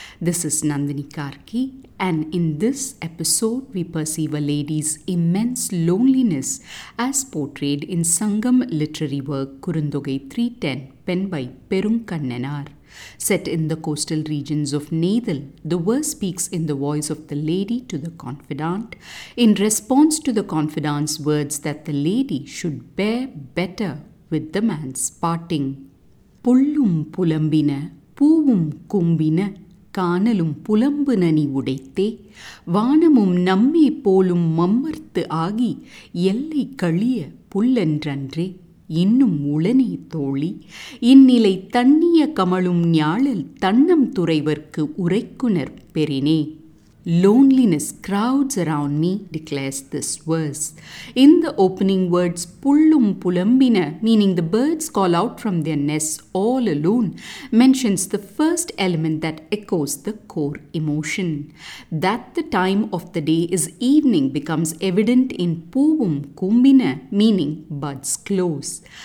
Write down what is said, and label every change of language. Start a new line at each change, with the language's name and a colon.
English: This is Nandini Karki, and in this episode we perceive a lady's immense loneliness as portrayed in Sangam literary work Kurundogai 310, penned by Perunkannanar. Set in the coastal regions of Nadal, the verse speaks in the voice of the lady to the confidant in response to the confidant's words that the lady should bear better with the man's parting.
Tamil: புல்லும் புலம்பின பூவும் கும்பின காணலும் புலம்பு நனி உடைத்தே வானமும் நம்மே போலும் மம்மர்த்து ஆகி எல்லை கழிய புல்லன்றன்றே இன்னும் உளனே தோழி இந்நிலை தண்ணிய கமலும் ஞாழல் தன்னம் துறைவர்க்கு உரைக்குனர் பெறினே.
English: Loneliness crowds around me, declares this verse. In the opening words,
Tamil: pullum pulambina,
English: meaning the birds call out from their nests all alone, mentions the first element that echoes the core emotion. That the time of the day is evening becomes evident in
Tamil: poovum kumbina,
English: meaning buds close.